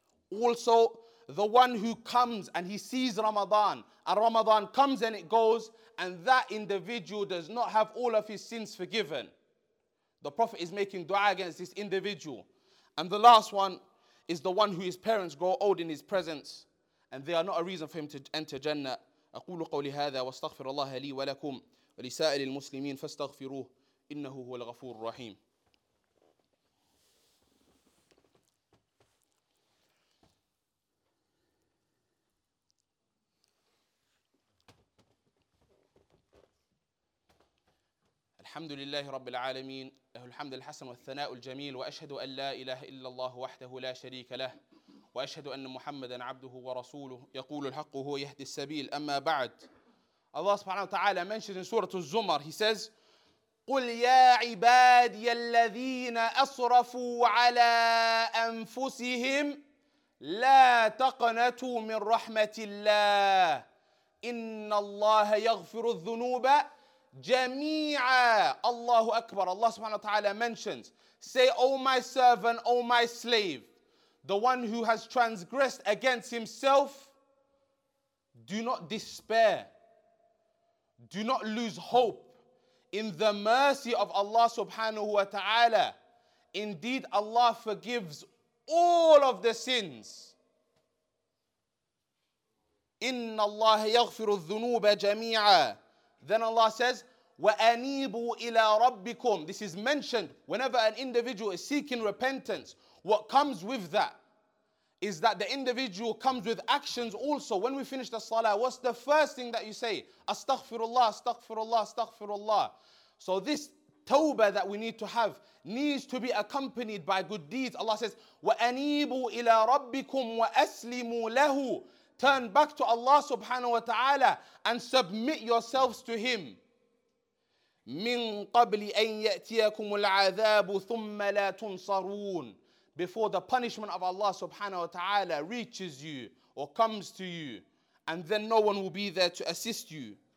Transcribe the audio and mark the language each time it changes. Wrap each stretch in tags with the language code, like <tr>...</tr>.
<en>Also, the one who comes and he sees Ramadan, and Ramadan comes and it goes, and that individual does not have all of his sins forgiven. The Prophet is making dua against this individual. And the last one is the one who his parents grow old in his presence, and they are not a reason for him to enter Jannah.</en> <ar>أقول قولي هذا واستغفر الله لي ولكم ولسائر المسلمين فاستغفروه إنه هو الغفور الرحيم. الحمد لله رب العالمين, له الحمد الحسن والثناء الجميل, وأشهد أن لا إله إلا الله وحده لا شريك له, وأشهد أن محمدًا عبده ورسوله, يقول الحق هو يهدي السبيل. أما بعد, الله سبحانه وتعالى</ar> <en>mentions in</en> <ar>سورة الزمر,</ar> <en>he says,</en> <ar>قُلْ يَا عِبَادِيَ الَّذِينَ أَصْرَفُوا عَلَىٰ أَنفُسِهِمْ لَا تَقْنَتُوا مِنْ رَحْمَةِ اللَّهِ إِنَّ اللَّهَ يَغْفِرُ الذُّنُوبَ جَمِيعًا. الله أكبر. الله سبحانه وتعالى</ar> <en>mentions, say, O my servant, O my slave, the one who has transgressed against himself, do not despair. Do not lose hope in the mercy of Allah subhanahu wa ta'ala. Indeed, Allah forgives all of the sins.</en> <ar>إِنَّ اللَّهَ يَغْفِرُ الذُّنُوبَ جَمِيعًا.</ar> <en>Then Allah says,</en> <ar>وَأَنِيبُوا إِلَىٰ رَبِّكُمْ.</ar> <en>This is mentioned whenever an individual is seeking repentance. What comes with that is that the individual comes with actions also. When we finish the salah, what's the first thing that you say? Astaghfirullah, astaghfirullah, astaghfirullah. So this tawbah that we need to have needs to be accompanied by good deeds. Allah says,</en> <ar>وَأَنِيبُوا إِلَىٰ رَبِّكُمْ وَأَسْلِمُوا لَهُ.</ar> <en>Turn back to Allah subhanahu wa ta'ala and submit yourselves to Him.</en> <ar>مِنْ قَبْلِ أَنْ يَأْتِيَكُمُ الْعَذَابُ ثُمَّ لَا تُنصَرُونَ.</ar> <en>Before the punishment of Allah subhanahu wa ta'ala reaches you or comes to you, and then no one will be there to assist you.</en>